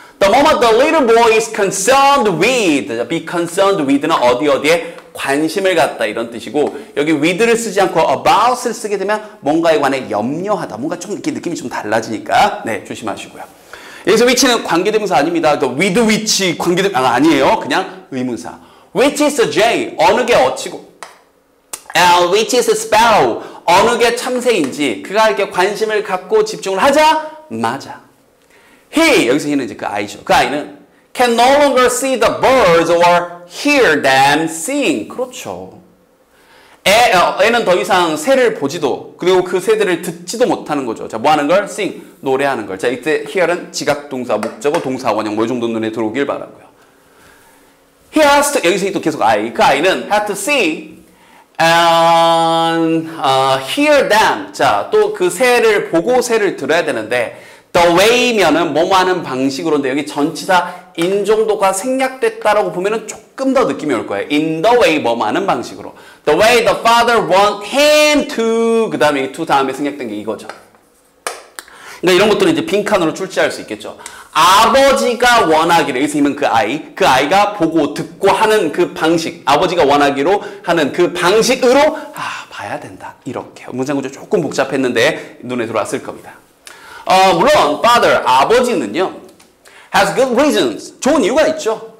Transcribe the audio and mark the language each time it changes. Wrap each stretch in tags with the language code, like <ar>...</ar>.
<en>The moment the little boy is concerned with,</en> <ko>be concerned with는 어디 어디에 관심을 갖다 이런 뜻이고, 여기 with를 쓰지 않고 about을 쓰게 되면 뭔가에 관해 염려하다, 뭔가 좀 이렇게 느낌이 좀 달라지니까 네, 조심하시고요. 여기서 which는 관계대명사 아닙니다.</ko> <en>The with which</en> <ko>관계대명사 아니에요. 그냥 의문사.</ko> <en>Which is a J?</en> <ko>어느 게 어치고?</ko> <en>And which is a sparrow?</en> <ko>어느 게 참새인지 그가 이렇게 관심을 갖고 집중을 하자? 맞아. He, 여기서 he는 이제 그 아이죠. 그 아이는</ko> <en>can no longer see the birds or hear them sing.</en> <ko>그렇죠. 애는 더 이상 새를 보지도, 그리고 그 새들을 듣지도 못하는 거죠. 자, 뭐 하는 걸? Sing, 노래하는 걸. 자, 이때 here은 지각동사, 목적어, 동사원형, 뭐 이 정도 눈에 들어오길 바라고요.</ko> <en>He has to,</en> <ko>여기서 또 계속 아이, 그 아이는</ko> <en>had to see and hear them.</en> <ko>자, 또 그 새를 보고 새를 들어야 되는데 the way면은 뭐뭐 하는 방식으로인데, 여기 전치사 인정도가 생략됐다라고 보면은 조금 더 느낌이 올 거예요.</ko> <en>In the way,</en> <ko>뭐 많은 방식으로.</ko> <en>The way the father want him to,</en> <ko>그 다음에 to 다음에 생략된 게 이거죠. 그러니까 이런 것들은 이제 빈칸으로 출제할 수 있겠죠. 아버지가 원하기로, 여기서 힘은 그 아이가 보고 듣고 하는 그 방식, 아버지가 원하기로 하는 그 방식으로, 아, 봐야 된다. 이렇게. 문장 구조 조금 복잡했는데 눈에 들어왔을 겁니다. 물론, father, 아버지는요,</ko> <en>has good reasons,</en> <ko>좋은 이유가 있죠.</ko>